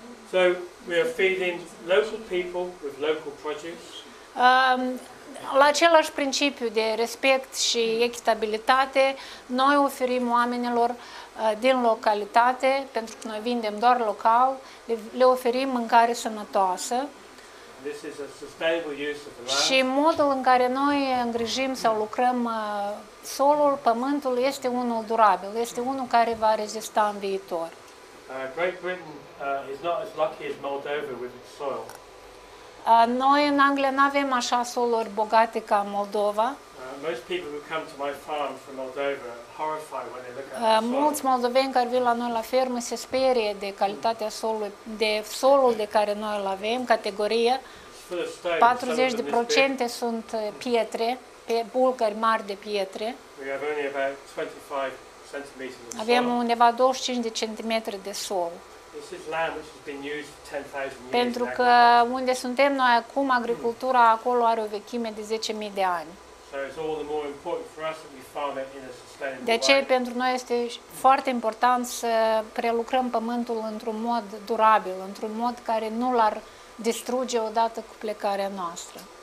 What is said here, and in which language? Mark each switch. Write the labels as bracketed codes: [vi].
[en] So we are feeding local people with local produce. [ro] La același principiu de respect și echitabilitate, noi oferim oamenilor din localitate, pentru că noi vindem doar local, le oferim mâncare sănătoasă. [en] This is a sustainable use of the land. [ro] Și modul în care noi îngrijim sau lucrăm solul, pământul, este unul durabil, este unul care va rezista în viitor. [en] Great Britain is not as lucky as Moldova with its soil. [ro] Noi în Anglia nu avem așa soluri bogate ca Moldova. [en] Most people who come to my farm from Moldova are horrified when they look at the soil. [ro] Mulți moldoveni care vin la noi la fermă se sperie de calitatea solului, de solul de care noi îl avem, categoria. 40% sunt pietre, pe bulgări mari de pietre. [en] We have only about 25 centimeters of soil. [ro] Avem undeva 25 de centimetri de sol. [en] This is land which has been used for 10,000 years. [ro] Pentru că unde suntem noi acum, agricultura acolo are o vechime de 10.000 de ani. [en] So it's all the more important for us that we farm it in a sustainable way. [ro] De ce pentru noi este foarte important să prelucrăm pământul într-un mod durabil, într-un mod care nu l-ar distruge odată cu plecarea noastră.